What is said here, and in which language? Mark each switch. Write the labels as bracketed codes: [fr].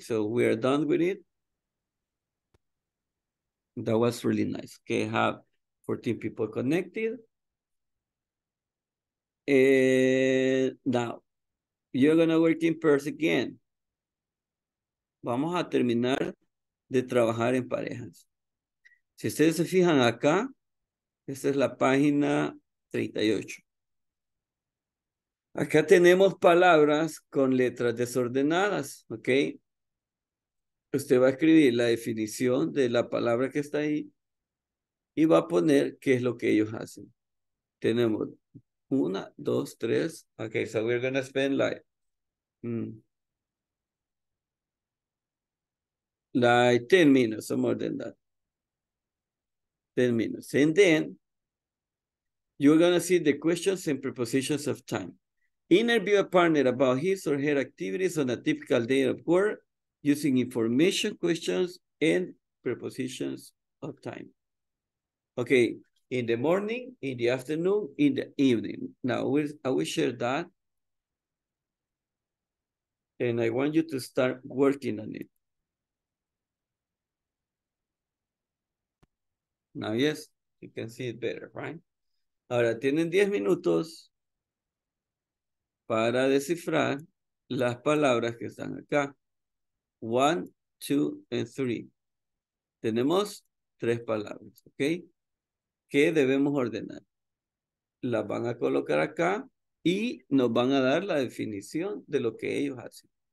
[en] So we are done with it. That was really nice. Okay, I have 14 people connected. And now you're gonna work in pairs again. [es] Vamos a terminar de trabajar en parejas. Si ustedes se fijan acá, esta es la página 38. Acá tenemos palabras con letras desordenadas, ¿ok? Usted va a escribir la definición de la palabra que está ahí y va a poner qué es lo que ellos hacen. Tenemos Una, dos, tres. [en] Okay, so we're gonna spend like, like 10 minutes or more than that. 10 minutes. And then you're gonna see the questions and prepositions of time. Interview a partner about his or her activities on a typical day of work using information questions and prepositions of time. Okay, in the morning, in the afternoon, in the evening. Now, I will share that. And I want you to start working on it. Now, yes, you can see it better, right? [es] Ahora, tienen 10 minutos para descifrar las palabras que están acá. [en] 1, 2, and 3. [es] Tenemos 3 palabras, ¿ok? Que debemos ordenar. Las van a colocar acá y nos van a dar la definición de lo que ellos hacen.